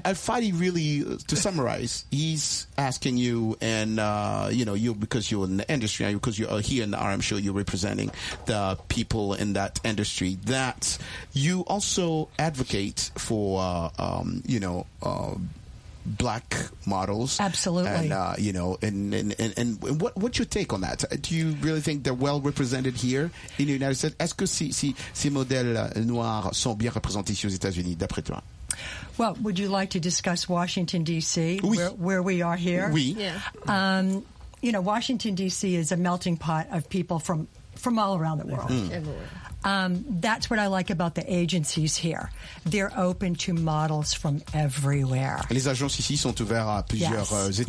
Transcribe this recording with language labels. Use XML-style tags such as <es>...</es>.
<en>Alfadi, really, to summarize, he's asking you, and you know, you, because you're in the industry, because you are here in the RM show, you're representing the people in that industry, that you also advocate for, you know, black models. Absolutely. And, you know, and what's your take on that? Do you really think they're well represented here in the United States?</en> <fr>Est-ce que ces modèles noirs sont bien représentés aux États-Unis, d'après toi?</fr> <en>Well, would you like to discuss Washington, D.C., where we are here?</en> <fr>Oui.</fr> <en>Yeah. You know, Washington, D.C. is a melting pot of people from all around the world. Everywhere. That's what I like about the agencies here. They're open to models from everywhere.</en> <fr>Les agences ici sont ouvertes à plusieurs ethnies.</fr>